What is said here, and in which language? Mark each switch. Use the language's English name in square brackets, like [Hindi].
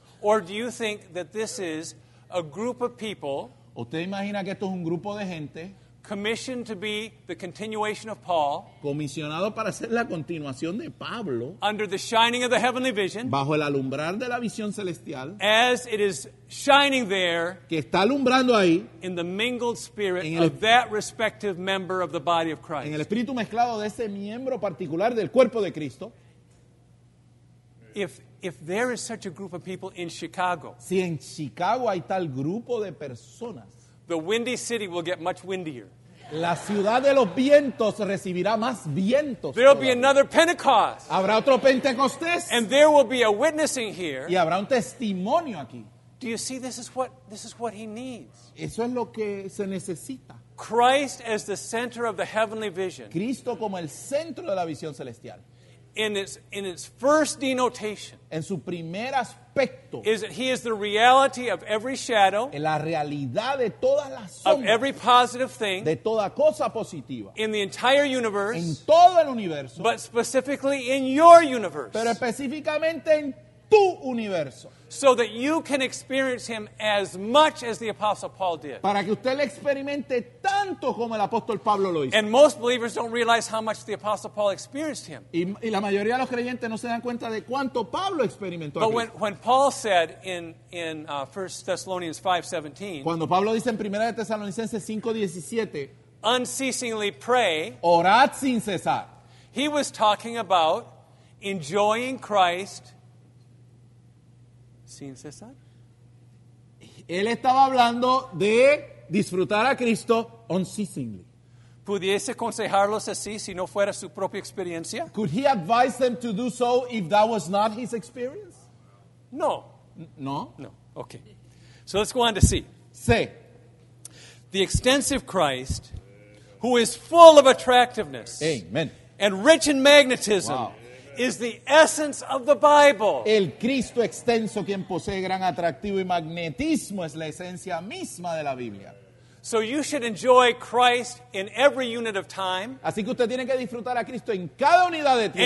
[English] Or do you think that this is a group of people? [Spanish] ¿Usted imagina que esto es un grupo de gente? [English] Commissioned to be the continuation of Paul, [Spanish] comisionado para ser la continuación de Pablo, [English] under the shining of the heavenly vision, [Spanish] bajo el alumbrar de la visión celestial, [English] as it is shining there, [Spanish] que está alumbrando ahí, [English] in the mingled spirit of that respective member of the body of Christ, [Spanish] en el espíritu mezclado de ese miembro particular del cuerpo de Cristo. [English] If there is such a group of people in Chicago, [Spanish] si en Chicago hay tal grupo de personas, [English] the windy city will get much windier. [Spanish] La ciudad de los vientos recibirá más vientos. [English] There will be another Pentecost. [Spanish] Habrá otro Pentecostés. [English] And there will be a witnessing here. [Spanish] Y habrá un testimonio aquí. [English] Do you see this is what he needs? [Spanish] Eso es lo que se necesita. [English] Christ as the center of the heavenly vision. [Spanish] Cristo como el centro de la visión celestial. [English] In its first denotation, [Spanish] en su primer aspecto, [English] is that he is the reality of every shadow, [Spanish] en la realidad de todas las sombras, [English] of every positive thing, [Spanish] de toda cosa positiva, [English] in the entire universe, [Spanish] en todo el universo, [English] but specifically in your universe, [Spanish] pero específicamente en tu universo, [English] so that you can experience him as much as the Apostle Paul did. [Spanish] Para que usted le experimente tanto como el apóstol Pablo lo hizo. [English] And most believers don't realize how much the Apostle Paul experienced him. [Spanish] Y la mayoría de los creyentes no se dan cuenta de cuánto Pablo experimentó. [English] But when Paul said in 1 Thessalonians 5:17, [Spanish] cuando Pablo dice en Primera de Tesalonicenses 5:17, [English] unceasingly pray, [Spanish] orad sin cesar, [English] he was talking about enjoying Christ. [Spanish] Sin cesar. Él estaba hablando de disfrutar a Cristo [English] unceasingly. [Spanish] ¿Pudiese aconsejarlos así si no fuera su propia experiencia? [English] Could he advise them to do so if that was not his experience? No. No? No. Okay. So let's go on to see. Say. The extensive Christ, who is full of attractiveness, amen, and rich in magnetism, wow, is the essence of the Bible. [Spanish] El Cristo extenso, quien posee gran atractivo y magnetismo, es la esencia misma de la Biblia. [English] So you should enjoy Christ in every unit of time. [Spanish] Así que usted tiene que disfrutar a Cristo en cada unidad de tiempo.